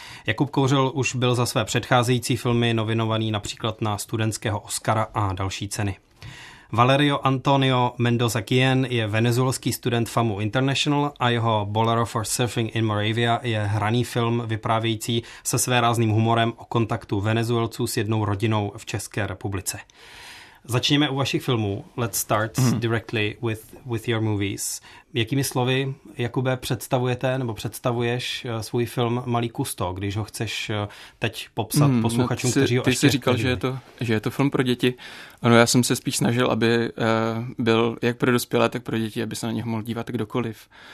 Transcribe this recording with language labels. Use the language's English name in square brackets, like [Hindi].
[Czech] Jakub Kouřil už byl za své předcházející filmy nominovaný například na studentského Oscara a další ceny. Valerio Antonio Mendoza Quien je venezuelský student FAMU International a jeho Bolero for Surfing in Moravia je hraný film vyprávějící se své rázným humorem o kontaktu Venezuelců s jednou rodinou v České republice. Začněme u vašich filmů. [English] Let's start directly with your movies. [Czech] Jakými slovy, Jakube, představujete nebo představuješ svůj film Malý Kusto, když ho chceš teď popsat posluchačům, kteří ho ještě... Ty jsi říkal, že je to film pro děti. Ano, já jsem se spíš snažil, aby byl jak pro dospělé, tak pro děti, aby se na něj mohl dívat kdokoliv.